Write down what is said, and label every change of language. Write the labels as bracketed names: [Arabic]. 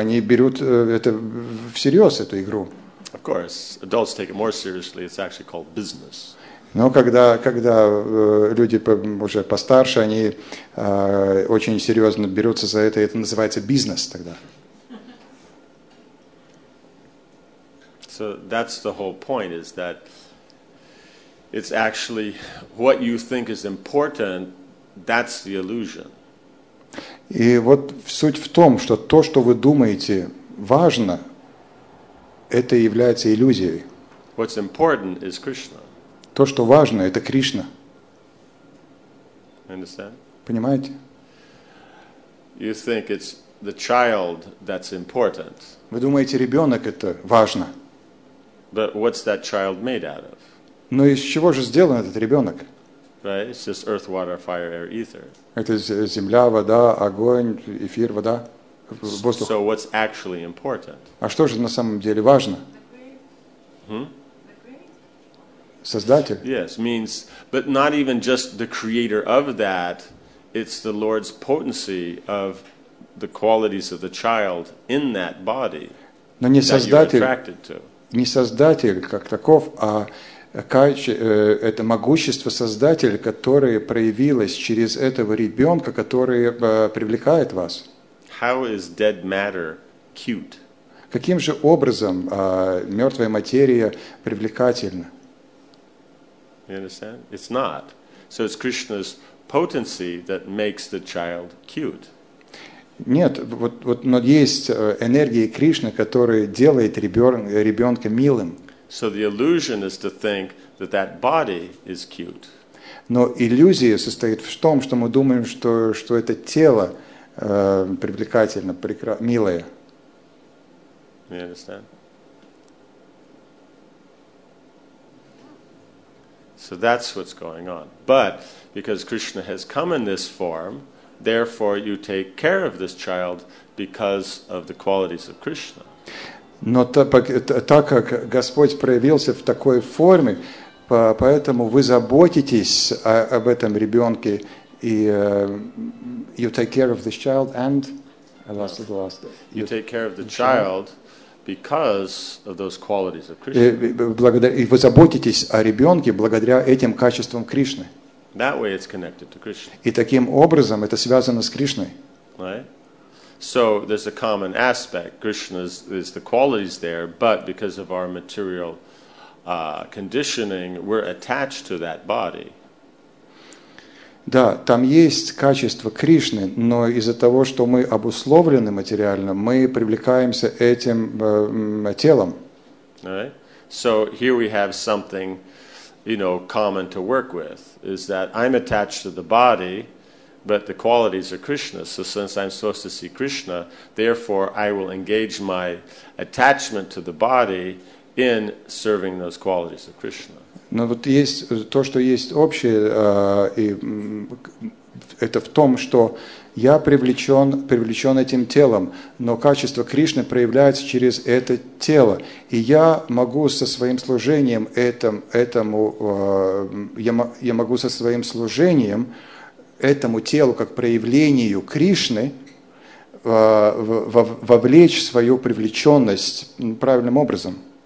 [Russian] Они берут это всерьез, эту игру. [English] Of course, adults take it more seriously. It's actually called business. [Russian] Но когда люди уже постарше, они очень серьезно берутся за это, и это называется бизнес тогда. [English] So that's the whole point, is that it's actually what you think is important, that's the illusion. [Russian] И вот суть в том, что то, что вы думаете важно, это является иллюзией. [English] What's important is Krishna. [Russian] То, что важно, это Кришна. [English] Understand? [Russian] Понимаете? [English] You think it's the child that's important. [Russian] Вы думаете, ребенок это важно. [English] But what's that child made out of? [Russian] Но из чего же сделан этот ребенок? [English] Right? It's just earth, water, fire, air, ether. [Russian] Это земля, вода, огонь, эфир, вода, воздух. [English] So what's actually important? [Russian] А что же на самом деле важно? Создатель. [English] Yes, means, but not even just the creator of that, it's the Lord's potency of the qualities of the child in that body. [Russian] Но не создатель, [English] that you're attracted to. [Russian] Не создатель как таков, а это могущество создателя, которое проявилось через этого ребенка, который привлекает вас. [English] How is dead matter cute? [Russian] Каким же образом мертвая материя привлекательна? [English] You understand? It's not. So it's Krishna's potency that makes the child cute. [Russian] Нет, вот но есть энергия Кришны, которая делает ребенка милым. [English] So the illusion is to think that that body is cute. [Russian] Но иллюзия состоит в том, что мы думаем, что это тело привлекательно, милое. [English] You understand? So that's what's going on. But because Krishna has come in this form, therefore you take care of this child because of the qualities of Krishna. [Russian] Но так как Господь проявился в такой форме, поэтому вы заботитесь об этом ребенке, и [English] you take care of this child and you take care of the child because of those qualities of Krishna. [Russian] И вы заботитесь о ребенке благодаря этим качествам Кришны. [English] That way it's connected to Krishna. [Russian] И таким образом это связано с Кришной. [English] So there's a common aspect. Krishna is the qualities there, but because of our material conditioning, we're attached to that body. [Russian] Да, там есть качество Кришны, но из-за того, что мы обусловлены материально, мы привлекаемся этим телом. [English] So here we have something, you know, common to work with, is that I'm attached to the body, but the qualities are Krishna. So since I'm supposed to see Krishna, therefore I will engage my attachment to the body in serving those qualities of Krishna. [Russian] Но вот есть то, что есть общее, и это в том, что я привлечен этим телом, но качество Кришны проявляется через это тело. И я могу со своим служением этому телу как проявлению Кришны вовлечь свою привлеченность правильным образом.